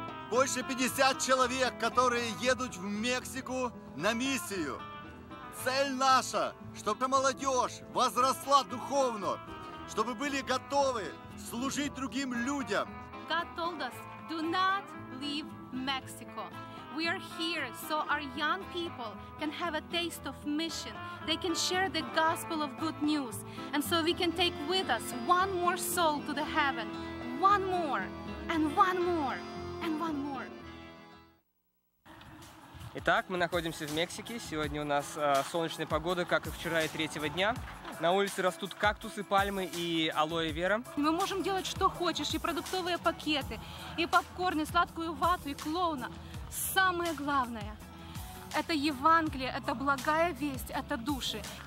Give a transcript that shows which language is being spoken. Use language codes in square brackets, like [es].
[ru] Больше 50 человек, которые едут в Мексику на миссию. Цель наша, чтобы молодежь возросла духовно, чтобы были готовы служить другим людям. [en] God told us, do not leave Mexico. We are here so our young people can have a taste of mission. They can share the gospel of good news. And so we can take with us one more soul to the heaven. One more, and one more, and one more. [ru] Итак, мы находимся в Мексике. Сегодня у нас солнечная погода, как и вчера и третьего дня. На улице растут кактусы, пальмы и алоэ вера. Мы можем делать что хочешь, и продуктовые пакеты, и попкорн, и сладкую вату, и клоуна. Самое главное – это Евангелие, это благая весть, это души.